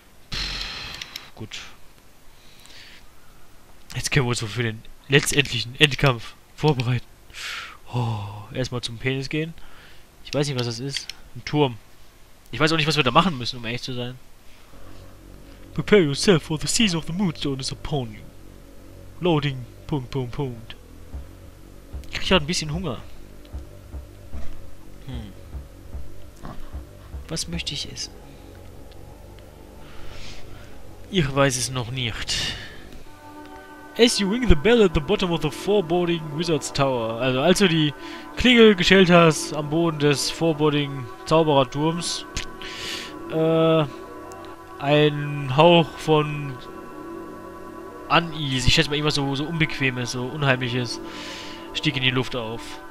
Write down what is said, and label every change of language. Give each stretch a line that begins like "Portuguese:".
German: Pff, gut. Jetzt können wir uns so für den letztendlichen Endkampf vorbereiten. Oh, erstmal zum Penis gehen. Ich weiß nicht, was das ist. Ein Turm. Ich weiß auch nicht, was wir da machen müssen, um ehrlich zu sein.
English: Prepare yourself for the season of the moonstone is upon you.
German: Loading. Punkt, Punkt, Punkt. Ich krieg halt ein bisschen Hunger. Hm. Was möchte ich essen? Ich weiß es noch nicht.
English: As you ring the bell at the bottom of the foreboding wizard's tower.
German: Also, als du die Klingel geschellt hast am Boden des foreboding Zaubererturms, ein Hauch von Unease, ich schätze mal immer so Unbequemes, so Unheimliches, stieg in die Luft auf.